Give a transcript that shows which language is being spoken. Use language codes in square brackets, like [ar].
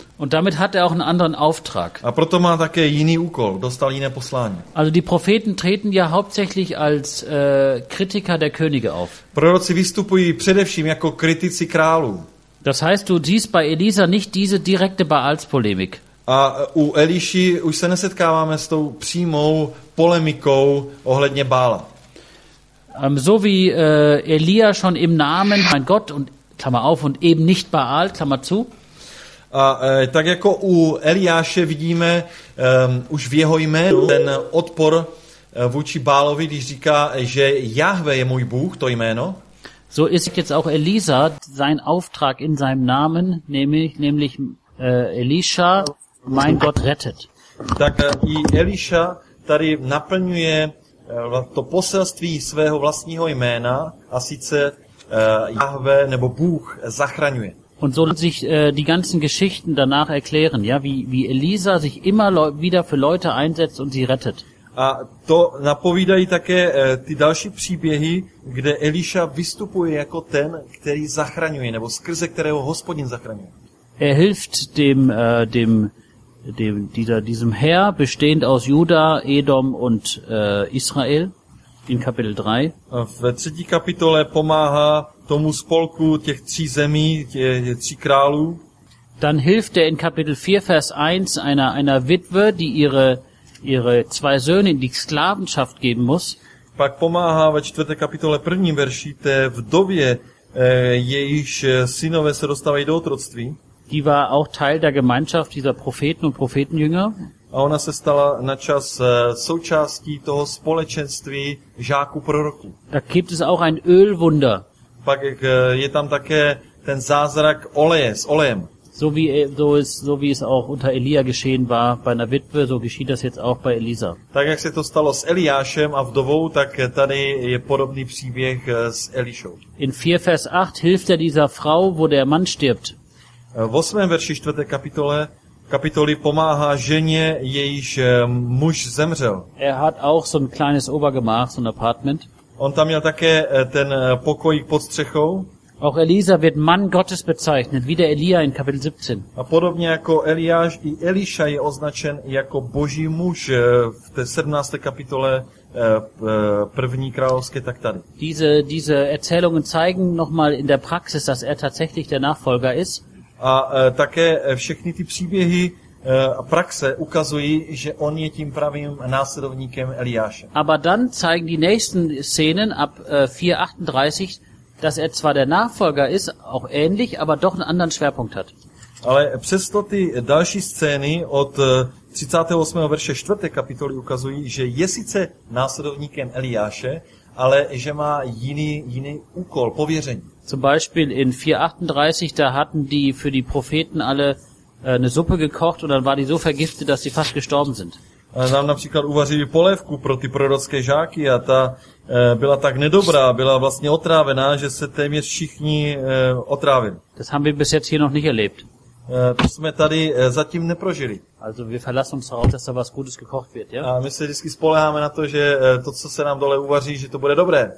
[de] Und damit hat auch einen anderen Auftrag. [cs] A proto má také jiný úkol, dostal jiné poslání. [de] Also die Propheten treten ja hauptsächlich als Kritiker der Könige auf. [cs] Proroci vystupují především jako kritici králů. [de] Das heißt, du siehst bei Elisa nicht diese direkte Baals-Polemik. [cs] A u Eliši už se nesetkáváme s tou přímou polemikou ohledně Baala. [de] So wie Elia schon im Namen mein Gott und Klammer auf und eben nicht Baal Klammer zu. [cs] A tak jako u Eliáše vidíme už v jeho jménu ten odpor vůči Baalovi, když říká, že Jahve je můj Bůh, to jméno. [de] So ist jetzt auch Elisa sein Auftrag in seinem Namen, nämlich Elisha, mein Gott rettet. [cs] Tak i Eliša tady naplňuje to poselství svého vlastního jména, a sice Jahve nebo Bůh zachraňuje. [de] Und so sich die ganzen Geschichten danach erklären, ja, wie Elisa sich immer wieder für Leute einsetzt und sie rettet. [cs] A to napovídají také ty další příběhy, kde Eliša vystupuje jako ten, který zachraňuje nebo skrze kterého Hospodin zachraňuje. [de] Er hilft diesem Heer bestehend aus Juda, Edom und Israel in Kapitel 3. [cs] V třetí kapitole pomáhá tomu spolku těch tří zemí, těch tří králů. [de] Dann hilft er in Kapitel 4 Vers 1 einer Witwe, die ihre zwei Söhne in die Sklavenschaft geben muss. [cs] Pak pomáhá ve čtvrté kapitole první verši té vdově, jejíž synové se dostávají do otroctví. [de] Die war auch Teil der Gemeinschaft dieser Propheten und Prophetenjünger. [cs] A ona se stala na čas součástí toho společenství žáků proroků. [de] Da gibt es auch ein Ölwunder. [cs] Pak je tam také ten zázrak oleje, s olejem. [de] So wie es auch unter Elia geschehen war bei einer Witwe, so geschieht das jetzt auch bei Elisa. [cs] Tak jak se to stalo s Eliášem a vdovou, tak tady je podobný příběh s Elišou. [de] In 4 Vers 8 hilft er dieser Frau, wo der Mann stirbt. [cs] V 8. verši 4. kapitoly pomáhá ženě, jejíž muž zemřel. [de] Er hat auch so ein kleines Obergemach, so ein Apartment. [cs] On tam měl také ten pokoj pod střechou. [de] Auch Elisa wird Mann Gottes bezeichnet, wie der Elia in Kapitel 17. [cs] A podobně jako Eliáš, i Eliša je označen jako boží muž v té 17. kapitole první královské, tak tady. [de] Diese Erzählungen zeigen nochmal in der Praxis, dass er tatsächlich der Nachfolger ist. [cs] A také všechny ty příběhy a praxe ukazují, že on je tím pravým následovníkem Eliáše. [de] Aber dann zeigen die nächsten Szenen ab 4:38, dass er zwar der Nachfolger ist, auch ähnlich, aber doch einen anderen Schwerpunkt hat. [cs] Ale přesto ty další scény od 38. verše 4. kapitoly ukazují, že je sice následovníkem Eliáše, ale že má jiný úkol, pověření. [de] Zum Beispiel in 4:38, da hatten die für die Propheten alle eine Suppe gekocht und dann war die so vergiftet, dass sie fast gestorben sind. [cs] Nám například uvařili polévku pro ty prorocké žáky a ta byla tak nedobrá, byla vlastně otrávená, že se téměř všichni otrávili. [de] Das haben wir bis jetzt hier noch nicht erlebt. [cs] To jsme tady zatím neprožili. [de] Also wir verlassen uns darauf, dass da was Gutes gekocht wird, ja? [cs] A my se vždycky spoléháme na to, že to, co se nám dole uvaří, že to bude dobré.